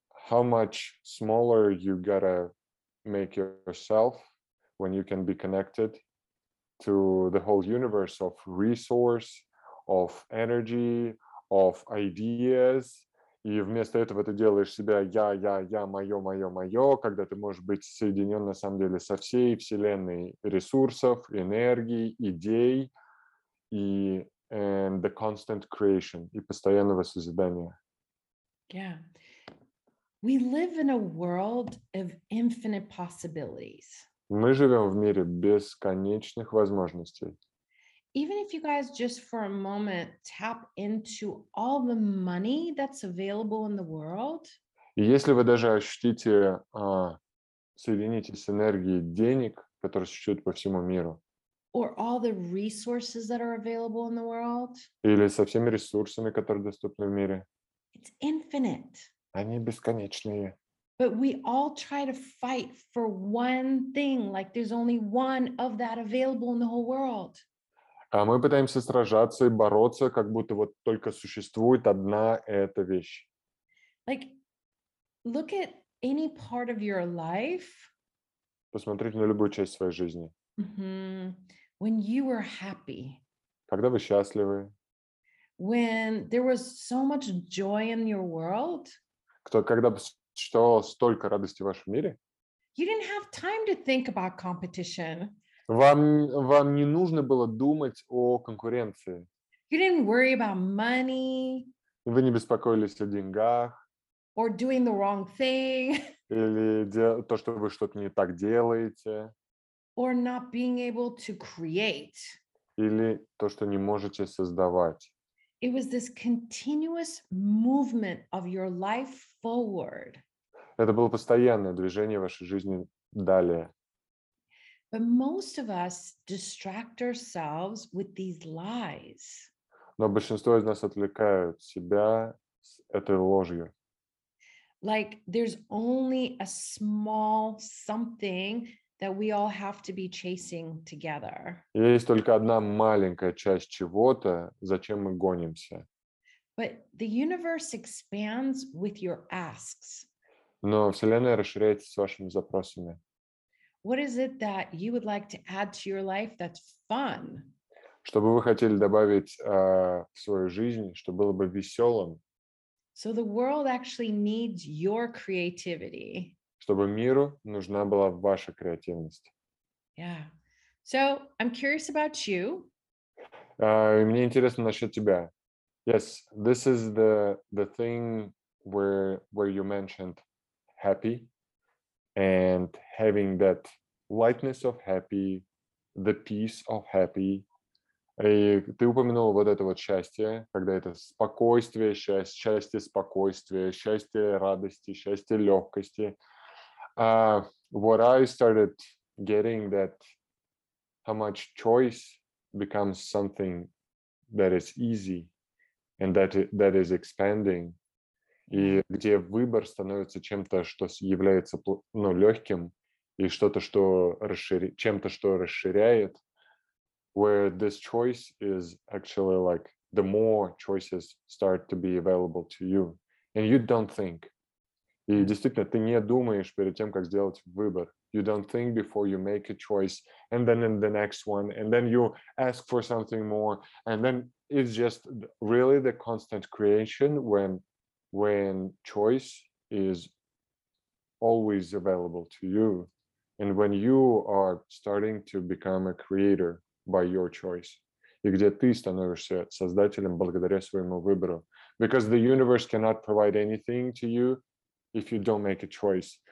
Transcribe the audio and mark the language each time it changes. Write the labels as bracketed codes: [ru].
[en] How much smaller you gotta make yourself when you can be connected to the whole universe of resource, of energy, of ideas, [ru] и вместо этого ты делаешь себя я, я, я, мое, мое, мое, когда ты можешь быть соединен на самом деле со всей вселенной ресурсов, энергии, идей и [en] and the constant creation, [ru] и постоянного созидания. [en] Yeah. We live in a world of infinite possibilities. [ru] Мы живем в мире бесконечных возможностей. [en] Even if you guys just for a moment tap into all the money that's available in the world, [ru] если вы даже ощутите, соединитесь с энергией денег, которые существуют по всему миру, [en] or all the resources that are available in the world, [ru] или со всеми ресурсами, которые доступны в мире, [en] it's infinite. [ru] Они бесконечные. [en] But we all try to fight for one thing, like there's only one of that available in the whole world. [ru] А мы пытаемся сражаться и бороться, как будто вот только существует одна эта вещь. [en] Like, look at any part of your life. [ru] Посмотрите на любую часть своей жизни. [en] Mm-hmm. When you were happy. [ru] Когда вы счастливы. [en] When there was so much joy in your world. [ru] Когда существовало столько радости в вашем мире. [en] You didn't have time to think about competition. [ru] Вам не нужно было думать о конкуренции. [en] You didn't worry about money. [ru] Вы не беспокоились о деньгах. [en] Or doing the wrong thing. [ru] Или то, что вы что-то не так делаете. [en] Or not being able to create. [ru] Или то, что не можете создавать. [en] It was this continuous movement of your life forward. [ru] Это было постоянное движение вашей жизни далее. [en] But most of us distract ourselves with these lies. [ru] Но большинство из нас отвлекают себя с этой ложью. [en] Like there's only a small something that we all have to be chasing together. [ru] Есть только одна маленькая часть чего-то, за чем мы гонимся. [en] But the universe expands with your asks. [ru] Но Вселенная расширяется с вашими запросами. [en] What is it that you would like to add to your life that's fun? [ru] Что бы вы хотели добавить в свою жизнь, что было бы веселым? [en] So the world actually needs your creativity. [ru] Чтобы миру нужна была ваша креативность. [en] Yeah. So I'm curious about you. [ru] Мне интересно насчет тебя. [en] Yes, this is the thing where you mentioned happy and having that lightness of happy, the peace of happy. [ru] И ты упомянул вот это вот счастье, когда это спокойствие, счастье, счастье спокойствия, счастье радости, счастье легкости. [en] What I started getting that how much choice becomes something that is easy and that is expanding. [ru] И где выбор становится чем-то, что является ну, легким и что-то, что чем-то, что расширяет. [en] Where this choice is actually like the more choices start to be available to you, and you don't think. [ru] И действительно, ты не думаешь перед тем, как сделать выбор. [en] You don't think before you make a choice, and then in the next one, and then you ask for something more, and then it's just really the constant creation when choice is always available to you, and when you are starting to become a creator. By your choice. [ru] И где ты становишься создателем благодаря своему выбору. [en] Because the universe cannot provide anything to you if you don't make a choice.